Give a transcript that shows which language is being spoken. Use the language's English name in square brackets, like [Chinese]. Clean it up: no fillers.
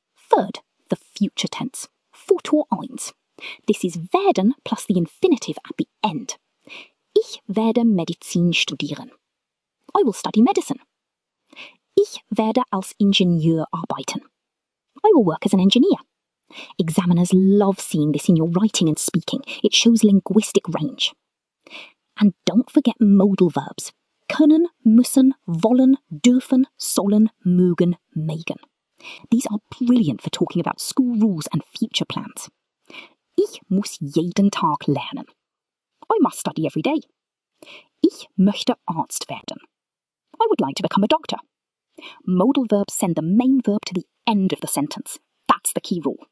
[English] Third, the future tense. Futur eins. This is werden plus the infinitive at the end. [German] Ich werde Medizin studieren. [English] I will study medicine. [German] Ich werde als Ingenieur arbeiten. [English] I will work as an engineer. Examiners love seeing this in your writing and speaking. It shows linguistic range. And don't forget modal verbs. [German] Können, müssen, wollen, dürfen, sollen, mögen, mögen. [English] These are brilliant for talking about school rules and future plans. [German] Ich muss jeden Tag lernen. [English] I must study every day. [German] Ich möchte Arzt werden. [English] I would like to become a doctor. Modal verbs send the main verb to the end of the sentence. That's the key rule.